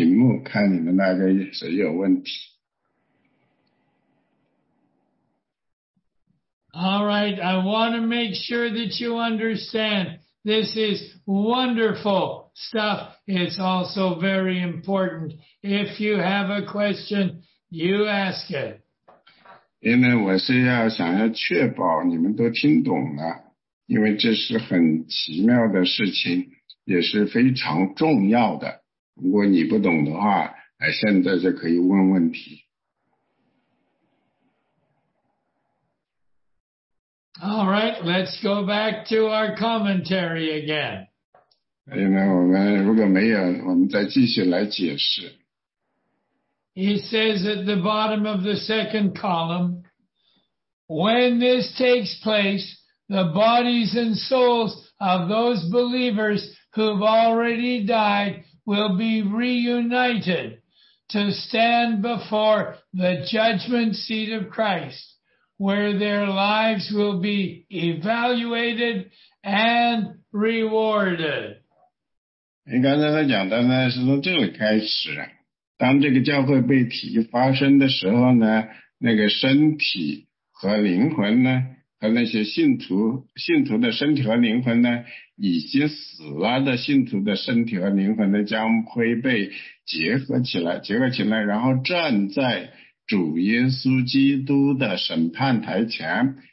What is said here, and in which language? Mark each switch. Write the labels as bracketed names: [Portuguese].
[Chinese] 我在看我的屏幕，看你们那个谁有问题。 [English] All right, I want to make sure that you understand. This is wonderful stuff. It's also very important. If you have a question, you ask it. [Chinese] 因为我是要想要确保你们都听懂了。因为这是很奇妙的事情，也是非常重要的。如果你不懂的话，现在就可以问问题。 [English] All right, let's go back to our commentary again. [Chinese] 因为我们如果没有，我们再继续来解释。 [English] He says at the bottom of the second column, when this takes place, the bodies and souls of those believers who've already died will be reunited to stand before the judgment seat of Christ, where their lives will be evaluated and rewarded. [Chinese] 你刚才他讲的呢，是从这里开始，当这个教会被提发生的时候呢，那个身体和灵魂呢，和那些信徒的身体和灵魂呢，已经死了的信徒的身体和灵魂呢，将会被结合起来，然后站在主耶稣基督的审判台前。